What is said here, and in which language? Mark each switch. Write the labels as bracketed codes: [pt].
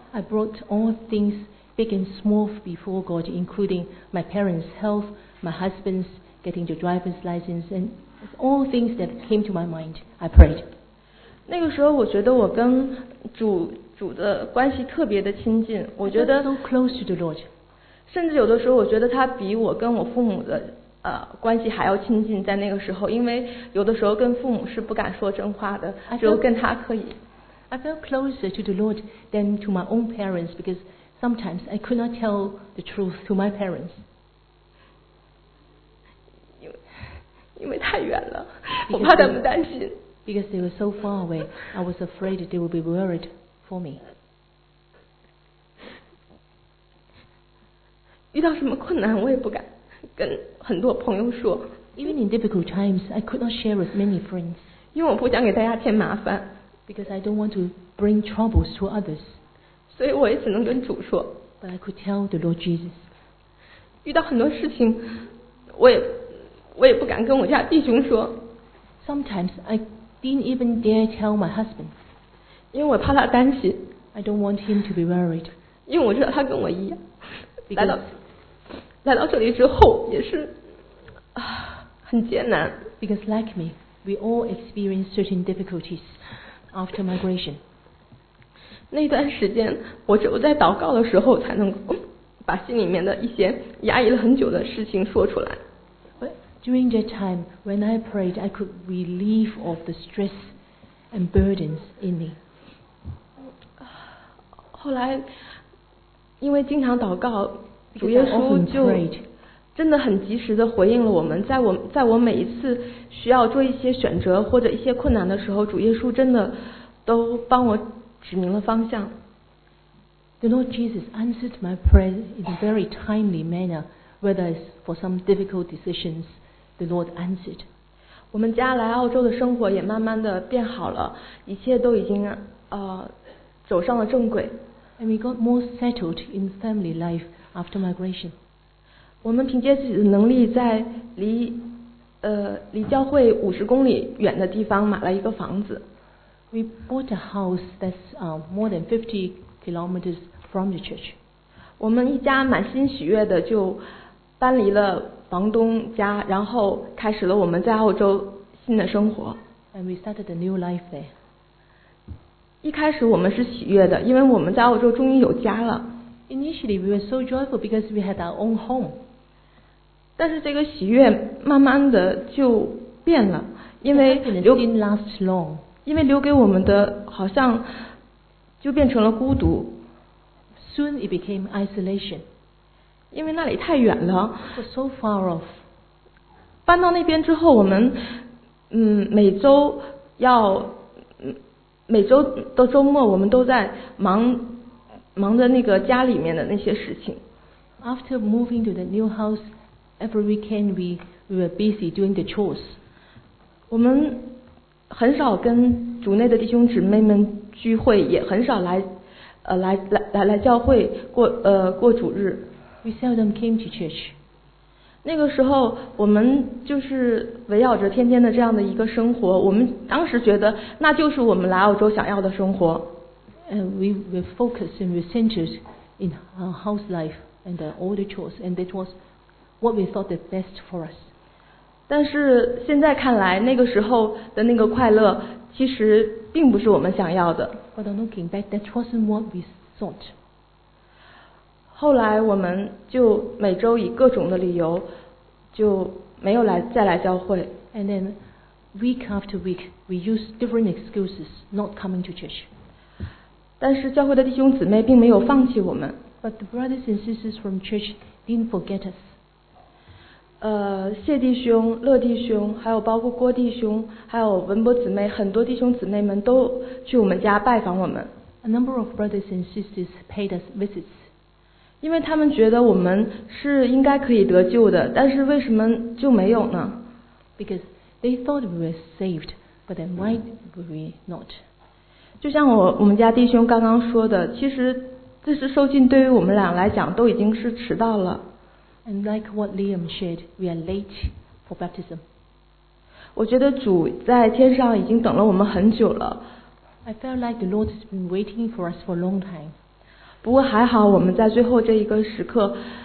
[en] I brought all things big and small before God, including my parents' health, my husband's getting the driver's license, and all things that came to my mind, I prayed. [zh] 那个时候我觉得我跟主的关系特别的亲近，我觉得 [en] so close to the Lord. [zh] 甚至有的时候我觉得他比我跟我父母的关系还要亲近，在那个时候，因为有的时候跟父母是不敢说真话的，只有跟他可以。 [en] I felt closer to the Lord than to my own parents because sometimes I could not tell the truth to my parents. [zh] 因为太远了，我怕他们担心。 [en] Because they were so far away, I was afraid they would be worried for me. [zh] 遇到什么困难，我也不敢跟很多朋友说。 [en] Even in difficult times, I could not share with many friends. [zh] 因为我不想给大家添麻烦。 [en] Because I don't want to bring troubles to others. [zh] 所以我也只能跟主说。 [en] But I could tell the Lord Jesus. [zh] 遇到很多事情，我也不敢跟我家弟兄说。 [en] Sometimes I didn't even dare tell my husband. [zh] 因为我怕他担心。 [en] I don't want him to be worried. [zh] 因为我知道他跟我一样。来到这里之后也是、啊、很艰难。 [en] Because like me, we all experience certain difficulties after migration. [zh] 那段时间，我只有在祷告的时候才能够把心里面的一些压抑了很久的事情说出来。 [en] But during that time, when I prayed, I could relieve of the stress and burdens in me. [zh] 后来。因为经常祷告，主耶稣就真的很及时的回应了我们。在我每一次需要做一些选择或者一些困难的时候，主耶稣真的都帮我指明了方向。 [en] The Lord Jesus answered my prayer in a very timely manner. Whether it's for some difficult decisions, the Lord answered. [zh] 我们家来澳洲的生活也慢慢的变好了，一切都已经走上了正轨。 [en] And we got more settled in family life after migration. [zh] 我们凭借自己的能力在离教会50公里远的地方买了一个房子。 [en] We bought a house that's more than 50 kilometers from the church. [zh] 我们一家满心喜悦的就搬离了房东家，然后开始了我们在澳洲新的生活。 [en] And we started a new life there. [zh] 一开始我们是喜悦的，因为我们在澳洲终于有家了。 [en] Initially, we were so joyful because we had our own home. [zh] 但是这个喜悦慢慢的就变了，因为留给我们的好像就变成了孤独。 [en] Soon it became isolation. [zh] 因为那里太远了。 [en] So far off. [zh] 搬到那边之后，我们每周要。每周的周末我们都在忙着那个家里面的那些事情。 [en] After moving to the new house, every weekend we were busy doing the chores. [zh] 我们很少跟主内的弟兄姊妹们聚会，也很少来教会过主日。 [en] We seldom came to church. [zh] 那个时候我们就是围绕着天天的这样的一个生活，我们当时觉得那就是我们来澳洲想要的生活。 [en] And we were focused and were centered in our house life and all the chores, and that was what we thought the best for us. [zh] 但是现在看来，那个时候的那个快乐其实并不是我们想要的。 [en] But looking back, that wasn't what we thought. [zh] 后来我们就每周以各种的理由就没有来再来教会。 [en] And then, week after week, we use different excuses not coming to church. [zh] 但是教会的弟兄姊妹并没有放弃我们。 [en] But the brothers and sisters from church didn't forget us. [zh] 谢弟兄、乐弟兄，还有包括郭弟兄，还有文博姊妹，很多弟兄姊妹们都去我们家拜访我们。 [en] A number of brothers and sisters paid us visits. [zh] 因为他们觉得我们是应该可以得救的，但是为什么就没有呢？ [en] Because they thought we were saved, but then why were we not? [zh] 就像我们家弟兄刚刚说的，其实这次受浸对于我们俩来讲都已经是迟到了。 [en] And like what Liam shared, we are late for baptism. [zh] 我觉得主在天上已经等了我们很久了。 [en] I felt like the Lord has been waiting for us for a long time. [zh] 不过还好我们在最后这一个时刻